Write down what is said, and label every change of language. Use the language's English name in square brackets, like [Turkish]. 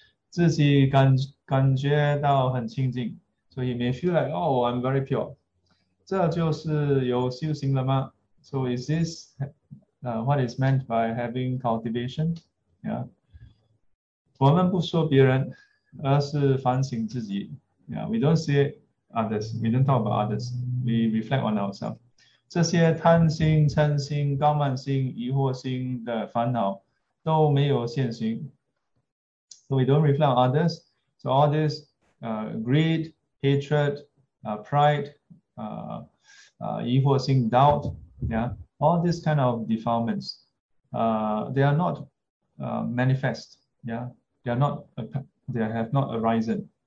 [Chinese] 自己感觉到很清净，所以 [English] may feel like oh I'm very pure， [Chinese] 这就是有修行了吗？ [English] So is this what is meant by having cultivation？Yeah， [Chinese] 我们不说别人，而是反省自己。 [English] Yeah，we don't see others，we don't talk about others，we reflect on ourselves。 [Chinese] 这些贪心、嗔心、高慢心、疑惑心的烦恼都没有现行。 [English] So we don't reflect on others. So all this greed, hatred, pride, 疑惑心, doubt, yeah, all these kind of defilements, they are not manifest, yeah, they have not arisen.